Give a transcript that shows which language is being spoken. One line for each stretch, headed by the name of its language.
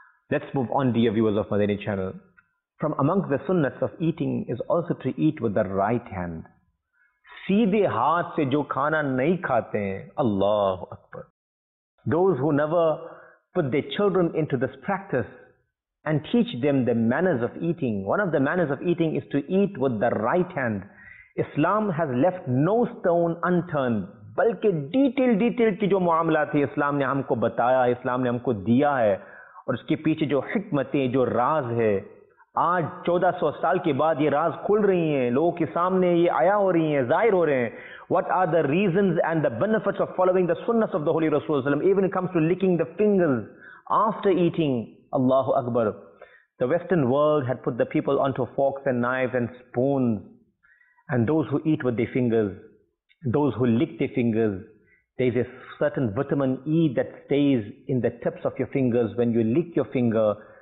English: Let's move on, dear viewers of Madani channel. From among the sunnats of eating is also to eat with the right hand.
Urdu: سیدھے ہاتھ سے جو کھانا نہیں کھاتے ہیں, اللہ اکبر.
English: Those who never put their children into this practice and teach them the manners of eating. One of the manners of eating is to eat with the right hand. Islam has left no stone unturned.
Urdu: بلکہ detail detail کی جو معاملات ہیں اسلام نے ہم کو بتایا, اسلام نے ہم کو دیا ہے, اور اس کے پیچھے جو حکمتیں جو راز ہے, آج 1400 سال کے بعد یہ راز کھل رہی ہیں, لوگوں کے سامنے یہ آیا ہو رہی ہیں, ظاہر ہو رہے ہیں.
English: What are the reasons and the benefits of following the sunnahs of the Holy Rasulullah even when it comes to licking the fingers after eating? Allahu Akbar. The Western world had put the people onto forks and knives and spoons, and those who eat with their fingers, those who lick their fingers, there is a certain vitamin E that stays in the tips of your fingers when you lick your finger.